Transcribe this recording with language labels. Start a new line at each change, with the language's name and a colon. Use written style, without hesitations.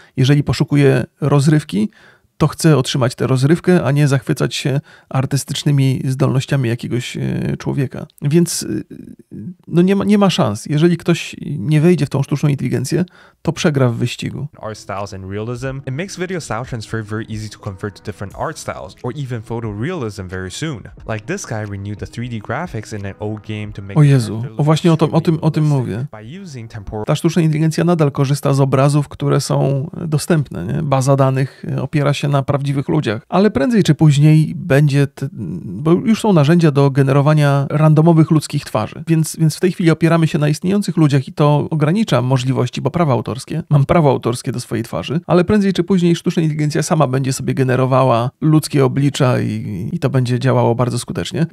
Polish: Jeżeli poszukuję rozrywki, to chcę otrzymać tę rozrywkę, a nie zachwycać się artystycznymi zdolnościami jakiegoś człowieka. Więc no nie ma szans. Jeżeli ktoś nie wejdzie w tą sztuczną inteligencję, to przegra w wyścigu.
English: Art styles and realism. It makes video style transfer very easy to convert to different art styles or even photorealism very soon. Like this guy renewed the 3D graphics in an old game to make.
Polish: O Jezu, o właśnie o tym mówię. Ta sztuczna inteligencja nadal korzysta z obrazów, które są dostępne, nie? Baza danych opiera się na prawdziwych ludziach, ale prędzej czy później będzie, bo już są narzędzia do generowania randomowych ludzkich twarzy, więc w tej chwili opieramy się na istniejących ludziach i to ogranicza możliwości, bo prawa autorskie, mam prawo autorskie do swojej twarzy, ale prędzej czy później sztuczna inteligencja sama będzie sobie generowała ludzkie oblicza i to będzie działało bardzo skutecznie.